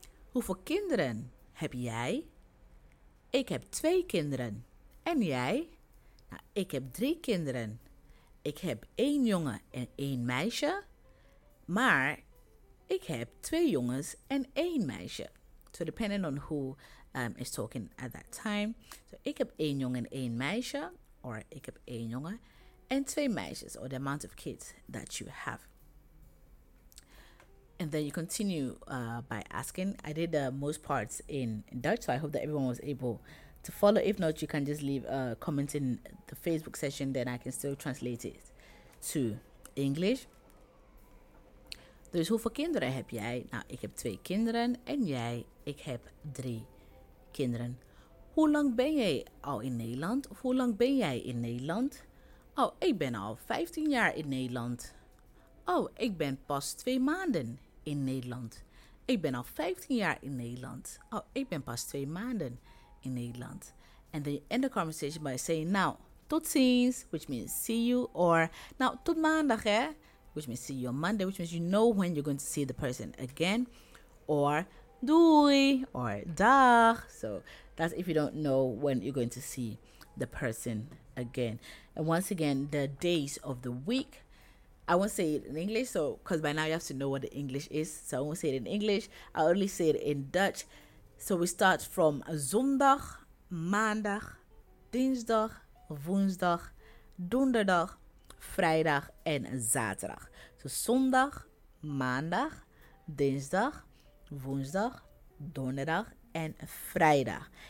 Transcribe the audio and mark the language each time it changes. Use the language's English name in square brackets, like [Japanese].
[Dutch] Hoeveel kinderen heb jij? Ik heb 2 kinderen. En jij? Nou, ik heb 3 kinderen. Ik heb 1 jongen en 1 meisje. Maar ik heb 2 jongens en 1 meisje. [English] So depending on who is talking at that time. [Dutch] So ik heb 1 jongen en 1 meisje. Or ik heb 1 jongen en 2 meisjes. [English] Or the amount of kids that you have. And then you continue by asking. I did the most parts in Dutch, so I hope that everyone was able to follow. If not, you can just leave a comment in the Facebook session, then I can still translate it to English. [Dutch] Dus hoeveel kinderen heb jij? Nou, ik heb 2 kinderen. En jij? Ik heb 3 kinderen. Hoe lang ben jij al in Nederland? Of hoe lang ben jij in Nederland? Oh, ik ben al 15 jaar in Nederland. Oh, ik ben pas 2 maanden in Nederland. Ik ben al 15 jaar in Nederland. Oh, ik ben pas 2 maanden in Nederland. [English] And then you end the conversation by saying, [Dutch] nou, tot ziens, [English] which means see you, or [Dutch] nou, tot maandag, hè, [English] which means see you on Monday, which means you know when you're going to see the person again, or doei, or dag. So that's if you don't know when you're going to see the person again. And once again, the days of the week, I won't say it in English, so because by now you have to know what the English is, so I won't say it in English. I'll only say it in Dutch. So we start from [Dutch] zondag, maandag, dinsdag, woensdag, donderdag, vrijdag en zaterdag. So zondag, maandag, dinsdag, woensdag, donderdag en vrijdag.